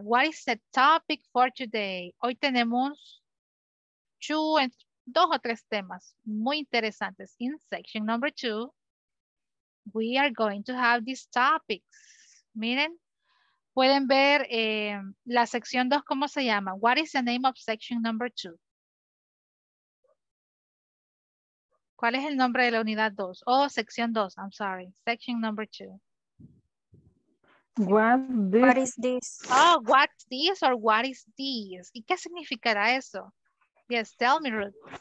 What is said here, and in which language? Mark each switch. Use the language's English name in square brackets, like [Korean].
[English] What is the topic for today? [Spanish] Hoy tenemos two and dos o tres temas muy interesantes. [English] In section number two, we are going to have these topics. [Spanish] Miren, pueden ver la sección dos, ¿cómo se llama? [English] What is the name of section number two? [Spanish] ¿Cuál es el nombre de la unidad dos? [English] Oh, [Spanish] sección dos, [English] I'm sorry. Section number two. What is this? Oh, what is or what is this? [Spanish] ¿Y qué significará eso? [English] Yes, tell me, Ruth.